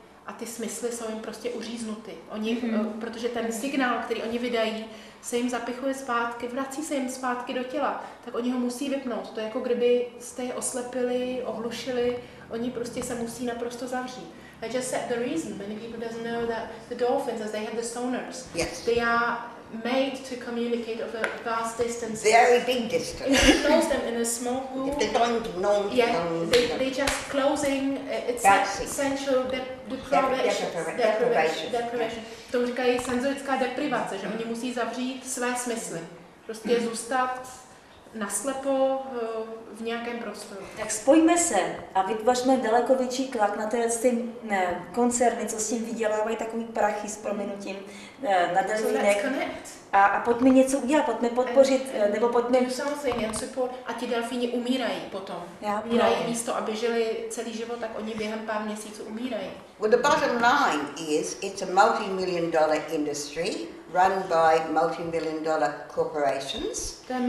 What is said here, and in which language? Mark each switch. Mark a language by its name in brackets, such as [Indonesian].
[Czech] A ty smysly jsou jim prostě uříznuty. Oni, protože ten signál, který oni vydají, se jim zapichuje zpátky, vrací se jim zpátky do těla. Tak oni ho musí vypnout. To je jako kdyby jste je oslepili, ohlušili. Oni prostě se musí naprosto zavřít. [English] I just said the reason. Many people doesn't know that the dolphins, as they have the sonars, yes, they are made to communicate over vast distances. Very big distance. Close them in a small pool. If they don't know, yeah, they just closing. It's sensual deprivation. [Czech] To říkají senzorická deprivace, že oni musí zavřít své smysly. Prostě zůstat naslepo v nějakém prostoru. Tak spojíme se a vytvořme daleko větší tlak na tyhle ty koncerny, co s tím vydělávají takový prachy s prominutím na delfínek. A pojďme něco udělat, pojďme podpořit, nebo pojďme... Samozřejmě, a ti delfíni umírají potom. Umírají místo, aby žili celý život, tak oni během pár měsíců umírají. [English] Well, the bottom line is, it's a multi-million dollar industry run by multi-million dollar corporations.